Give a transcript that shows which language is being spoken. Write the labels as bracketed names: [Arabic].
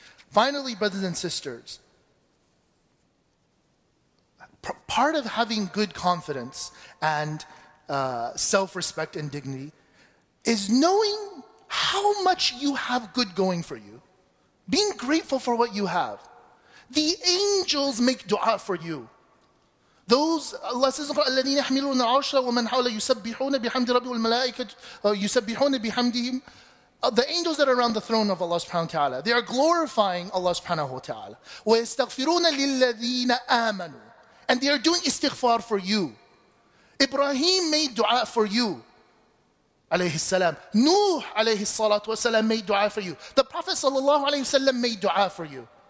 [English] Finally, brothers and sisters, part of having good confidence and self-respect and dignity is knowing how much you have good going for you. Being grateful for what you have. The angels make dua for you. Those, Allah says, [Arabic] الَّذِينَ يَحْمِلُونَ الْعَرْشَ وَمَنْ حَوْلَهُ يُسَبِّحُونَ بِحَمْدِ رَبِّهِمْ وَالْمَلَائِكَةُ يُسَبِّحُونَ بِحَمْدِهِمْ. [English] The angels that are around the throne of Allah subhanahu wa ta'ala, they are glorifying Allah subhanahu wa ta'ala. [Arabic] وَيَسْتَغْفِرُونَ لِلَّذِينَ آمَنُوا. [English] And they are doing istighfar for you. Ibrahim made dua for you, alayhi salam. Nuh, alayhi salatu wasalam, made dua for you. The Prophet, sallallahu alayhi wasalam, made dua for you.